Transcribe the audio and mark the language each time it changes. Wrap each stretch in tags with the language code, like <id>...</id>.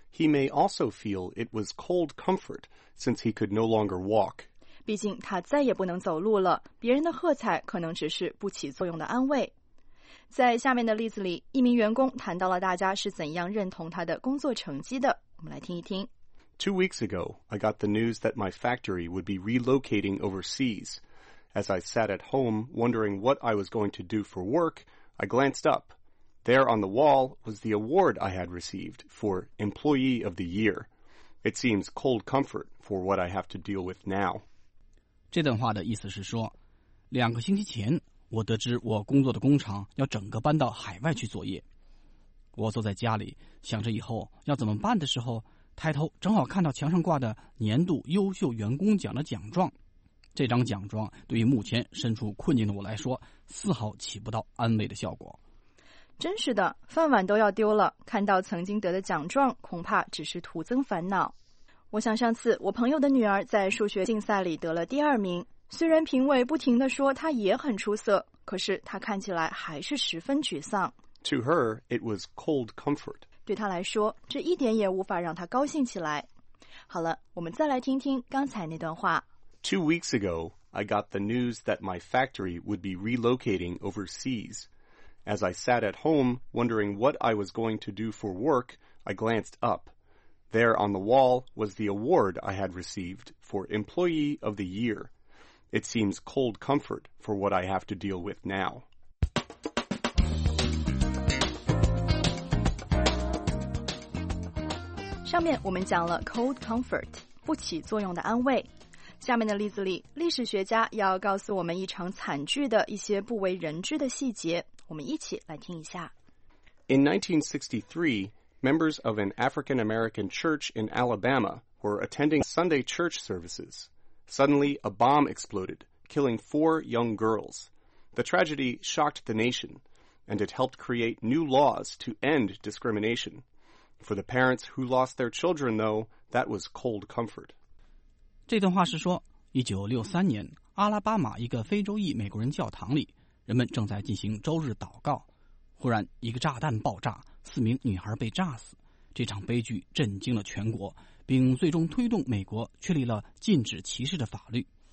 <en>He may also feel it was cold comfort since he could no longer walk.</en> <zh>毕竟他再也不能走路了，别人的喝彩可能只是不起作用的安慰。在下面的例子里，一名员工谈到了大家是怎样认同他的工作成绩的，我们来听一听。</zh> <en>2 weeks ago, I got the news that my factory would be relocating overseas. As I sat at home, wondering what I was going to do for work, I glanced up. There on the wall was the award I had received for Employee of the Year. It seems cold comfort for what I have to deal with now.</en> <zh>这段话的意思是说，两个星期前，我得知我工作的工厂要整个搬到海外去作业。我坐在家里，想着以后要怎么办的时候，抬头正好看到墙上挂的年度优秀员工奖的奖状。这张奖状对于目前身处困境的我来说，丝毫起不到安慰的效果。真是的，饭碗都要丢了，看到曾经得的奖状，恐怕只是徒增烦恼。我想上次我朋友的女儿在数学竞赛里得了第二名，虽然评委不停地说她也很出色，可是她看起来还是十分沮丧。</zh> <en>To her, it was cold comfort.</en> <zh>对她来说，这一点也无法让她高兴起来。好了，我们再来听听刚才那段话。</zh> <en>2 weeks ago, I got the news that my factory would be relocating overseas. As I sat at home, wondering what I was going to do for work, I glanced up. There on the wall was the award I had received for Employee of the Year. It seems cold comfort for what I have to deal with now.</en> <zh>上面我们讲了 cold comfort, 不起作用的安慰。下面的例子里，历史学家要告诉我们一场惨剧的一些不为人知的细节，我们一起来听一下。</zh> <en>In 1963, members of an African-American church in Alabama were attending Sunday church services. Suddenly, a bomb exploded, killing 4 young girls. The tragedy shocked the nation, and it helped create new laws to end discrimination. For the parents who lost their children, though, that was cold comfort.</en> <zh>这段话是说1963年阿拉巴马一个非洲裔美国人教堂里，人们正在进行周日祷告，忽然一个炸弹爆炸，四名女孩被炸死。这场悲剧震惊了全国，并最终推动美国确立了禁止歧视的法律。</zh>